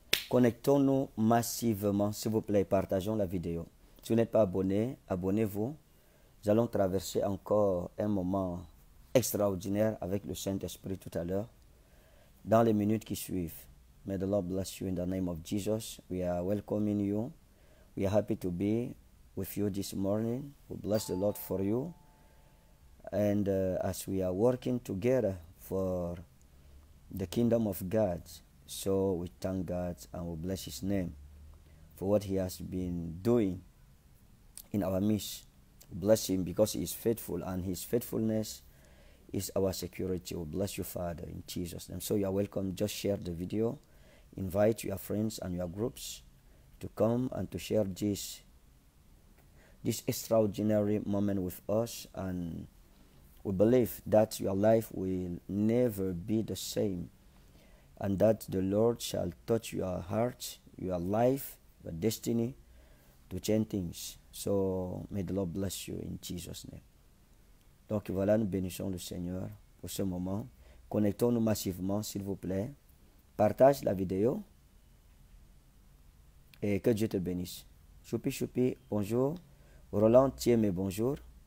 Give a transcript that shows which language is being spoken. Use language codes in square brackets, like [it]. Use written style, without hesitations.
[fr] Connectons-nous massivement, s'il vous plaît, partageons la vidéo. Si vous n'êtes pas abonné, abonnez-vous. Nous allons traverser encore un moment extraordinaire avec le Saint-Esprit tout à l'heure, dans les minutes qui suivent. [en] May the Lord bless you in the name of Jesus. We are welcoming you. We are happy to be with you this morning. We bless the Lord for you. And as we are working together for the kingdom of God, so we thank God and we bless His name for what He has been doing in our midst. We bless Him because He is faithful and His faithfulness is our security. We bless you, Father, in Jesus' name. So you are welcome. Just share the video. Invite your friends and your groups to come and to share this extraordinary moment with us. And we believe that your life will never be the same, and that the Lord shall touch your heart, your life, your destiny to change things. So may the Lord bless you in Jesus' name. [fr] Donc voilà, nous bénissons le Seigneur pour ce moment. Connectons-nous massivement, s'il vous plaît. Partage la vidéo et que Dieu te bénisse. Choupi, choupi, bonjour. Roland, tiens mes bonjour.